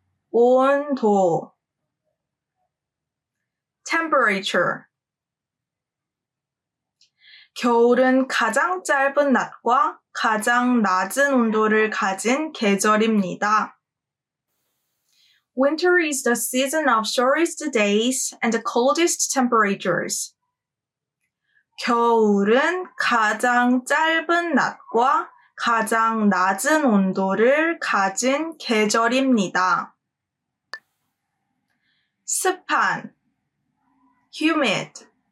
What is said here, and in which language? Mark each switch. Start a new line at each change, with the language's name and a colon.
Korean: 온도
English: Temperature
Korean: 겨울은 가장 짧은 낮과 가장 낮은 온도를 가진 계절입니다.
English: Winter is the season of shortest days and the coldest temperatures.
Korean: 겨울은 가장 짧은 낮과 가장 낮은 온도를 가진 계절입니다. 습한
English: Humid